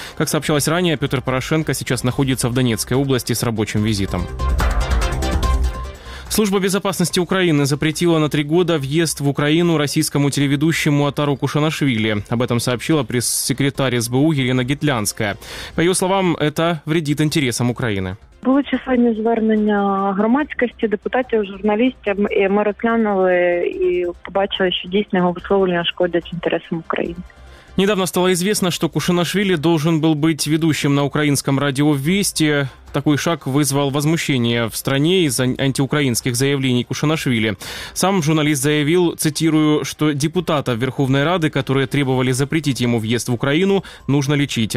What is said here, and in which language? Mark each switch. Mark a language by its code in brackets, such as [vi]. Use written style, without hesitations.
[ru] Как сообщалось ранее, Петр Порошенко сейчас находится в Донецкой области с рабочим визитом. Служба безопасности Украины запретила на 3 года въезд в Украину российскому телеведущему Атару Кушанашвили. Об этом сообщила пресс-секретарь СБУ Елена Гетлянская. По ее словам, это вредит интересам Украины. [uk] Були численні звернення громадськості, депутатів, журналістів, і ми розглянули і побачили, що дійсно його висловлення шкодять інтересам України. [ru] Недавно стало известно, что Кушанашвили должен был быть ведущим на украинском радио «Вести». Такой шаг вызвал возмущение в стране из-за антиукраинских заявлений Кушанашвили. Сам журналист заявил, цитирую, что депутатов Верховной Рады, которые требовали запретить ему въезд в Украину, нужно лечить.